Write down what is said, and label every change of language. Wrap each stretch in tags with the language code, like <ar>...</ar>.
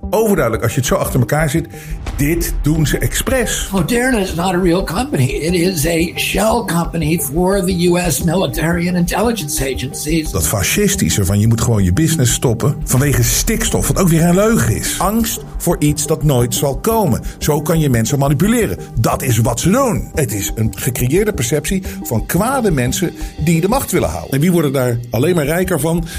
<nl>Overduidelijk, als je het zo achter elkaar ziet, dit doen ze expres.</nl> <en>Moderna is not a real company. It is a shell company for the US military and intelligence agencies.</en> <nl>Dat fascistische van je moet gewoon je business stoppen vanwege stikstof, wat ook weer een leugen is. Angst voor iets dat nooit zal komen. Zo kan je mensen manipuleren. Dat is wat ze doen. Het is een gecreëerde perceptie van kwade mensen die de macht willen houden. En wie worden daar alleen maar rijker van?</nl>